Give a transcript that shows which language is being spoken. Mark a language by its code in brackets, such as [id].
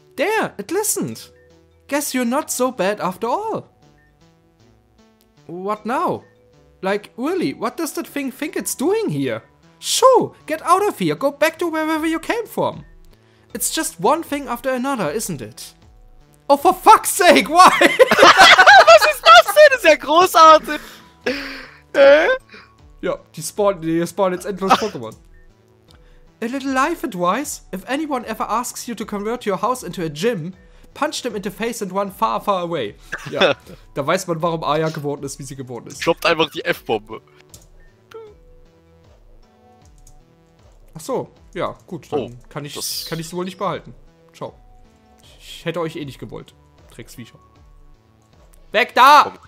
[en] There, it listened. Guess you're not so bad after all. What now? Like, really, what does that thing think it's doing here? Shoo! Get out of here! Go back to wherever you came from! It's just one thing after another, isn't it? Oh, for fuck's sake, why? [de] Was ist das denn? Das ist ja großartig! Ja, die spawnen jetzt endlos Pokémon. [en] A little life advice. If anyone ever asks you to convert your house into a gym, punch them in the face and run far, far away. [de] Ja, da weiß man, warum Aya geworden ist, wie sie geworden ist. Droppt einfach die F-Bombe. Ach so, ja, gut. Dann kann ich sie wohl nicht behalten. Ciao. Ich hätte euch eh nicht gewollt. Drecksviecher. Weg da! Oh,